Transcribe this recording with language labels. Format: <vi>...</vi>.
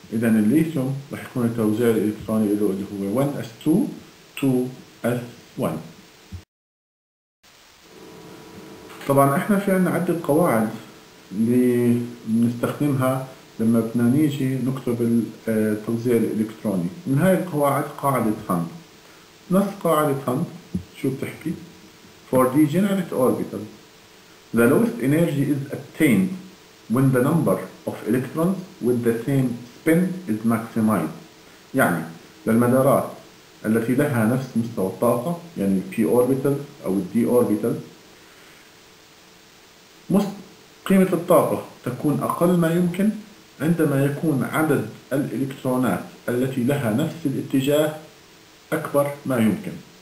<ar>إذا الليثيوم رح يكون التوزيع الإلكتروني له اللي هو 1s2 2s1. طبعا احنا في عنا عدة قواعد اللي بنستخدمها لما بدنا نيجي نكتب التوزيع الإلكتروني. من هاي القواعد قاعدة فاند. نص قاعدة فاند شو بتحكي؟</ar> <en>For degenerate orbital the lowest energy is attained when the number of electrons with the same spin is maximized.</en> <ar>يعني للمدارات التي لها نفس مستوى الطاقة، يعني الـ P orbital أو الـ D orbital، قيمة الطاقة تكون أقل ما يمكن عندما يكون عدد الإلكترونات التي لها نفس الاتجاه أكبر ما يمكن.</ar>